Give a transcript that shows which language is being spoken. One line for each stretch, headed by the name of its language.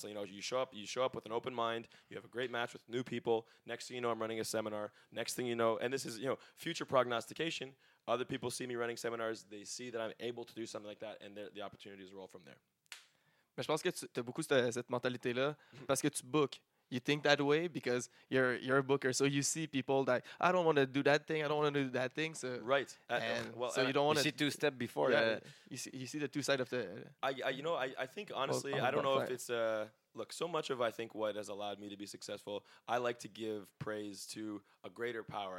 English: Yeah. So, you know, you show up with an open mind. You have a great match with new people. Next thing you know, I'm running a seminar. Next thing you know, and this is, you know, future prognostication. Other people see me running seminars. They see that I'm able to do something like that, and the opportunities roll from there.
French: Mais je pense que tu as beaucoup cette mentalité là parce que tu book.
English: You think that way because you're a booker. So you see people that, I don't want to do that thing. I don't want to do that thing. So right. You don't want to see two steps before. Yeah. You see the two sides of the... I think, honestly, I don't know if it's... look, so much of, I think, what has allowed me to be successful, I like to give praise to a greater power.